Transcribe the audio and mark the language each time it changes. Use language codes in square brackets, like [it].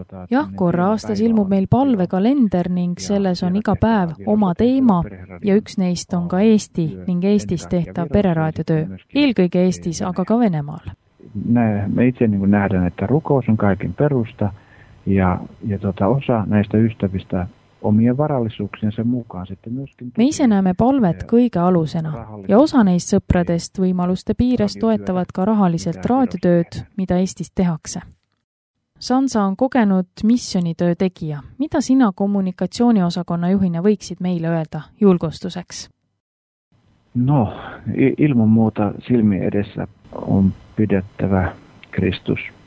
[et] Jah, korra aastas ilmub meil palvekalender ning selles on iga päev oma teema ja üks neist on ka Eesti ning Eestis tehtav pereraadiotöö. Eelkõige Eestis, aga ka Venemaal. [fi] Me itse nähdään, että rukous on kaiken perusta ja osa näistä ystävistä omien varallisuuksiensa mukaan sitten myöskin. [et] Me ise näeme palvet kõige alusena ja osa neist sõpradest võimaluste piires toetavad ka rahaliselt raadiotööd, mida Eestis tehakse. Sansa on kogenud missionitöö tegija. Mida sina kommunikatsiooniosakonna juhina võiksid meile öelda julgustuseks? [fi] No, ilman muuta silmi edessä on pidettävä Kristus.